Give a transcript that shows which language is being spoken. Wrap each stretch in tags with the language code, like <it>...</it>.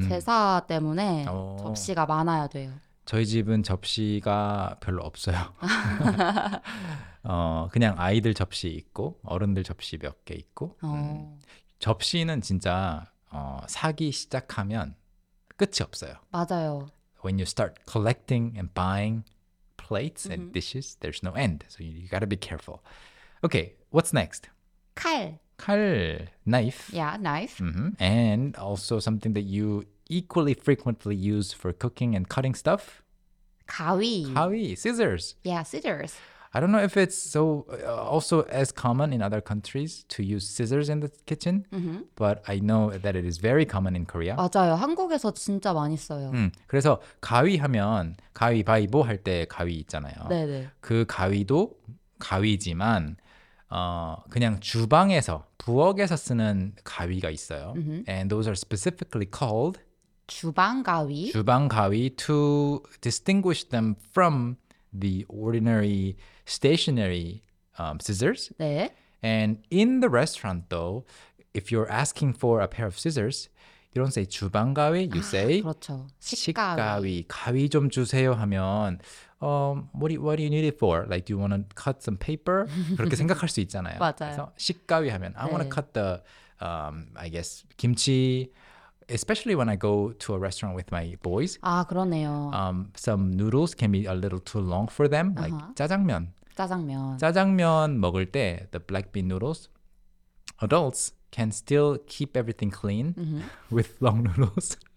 <ko>제사 때문에 접시가 많아야 돼요. 저희 집은 접시가 별로 없어요. 그냥 아이들 접시 있고 어른들 접시 몇 개 있고 접시는 진짜 사기 시작하면 끝이 없어요. 맞아요.</ko> <en>When you start collecting and buying plates and dishes, there's no end. So you gotta be careful. Okay, what's next?</en> <ko>칼. 칼.</ko> <en>Knife. Yeah, knife. Mm-hmm. And also something that you equally frequently use for cooking and cutting stuff?</en> <ko>가위. 가위.</ko> <en>Scissors. Yeah, scissors. I don't know if it's so also as common in other countries to use scissors in the kitchen, but I know that it is very common in Korea.</en> <ko>맞아요. 한국에서 진짜 많이 써요. 그래서 가위 하면 가위바위보 할 때 가위 있잖아요. 네네. 그 가위도 가위지만 그냥 주방에서 부엌에서 쓰는 가위가 있어요.</ko> <en>And those are specifically called</en> <ko>주방가위.</ko> <en>주방가위 to distinguish them from the ordinary stationary scissors.</en> <ko>네.</ko> <en>And in the restaurant, though, if you're asking for a pair of scissors, you don't say 주방가위, you say</en> <ko>그렇죠. 식가위. 식가위. 가위 좀 주세요 하면</ko> <en>what do you need it for? Like, do you want to cut some paper?</en> <ko>그렇게 생각할 수 있잖아요. 맞아요. 그래서 식가위 하면 I 네.</ko> <en>want to cut the, I guess, 김치. Especially when I go to a restaurant with my boys.</en> <ko>아, 그러네요.</ko> <en>Some noodles can be a little too long for them, like 짜장면.</en> <ko>짜장면. 짜장면 먹을 때,</ko> <en>the black bean noodles, adults can still keep everything clean with long noodles.</en>